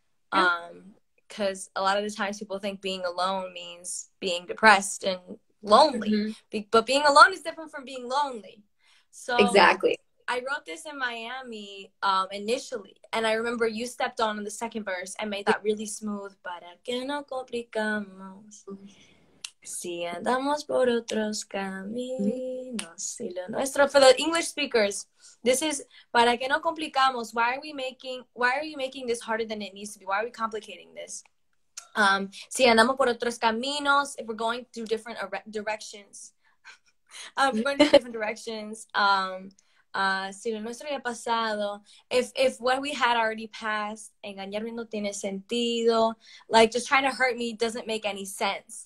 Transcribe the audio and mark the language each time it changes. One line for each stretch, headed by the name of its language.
English: Because a lot of the times people think being alone means being depressed and lonely, but being alone is different from being lonely. So Exactly. I wrote this in Miami initially, and I remember you stepped on in the second verse and made that really smooth.
Spanish: Para que no complicamos, si andamos por otros caminos. Y lo nuestro,
English: for the English speakers, this is
Spanish: para que no complicamos.
English: Why are you making this harder than it needs to be? Why are we complicating this?
Spanish: Si andamos por otros caminos,
English: if we're going through different directions, we're going through different directions.
Spanish: Si lo nuestro ya pasado,
English: if what we had already passed,
Spanish: engañarme no tiene sentido,
English: like just trying to hurt me doesn't make any sense.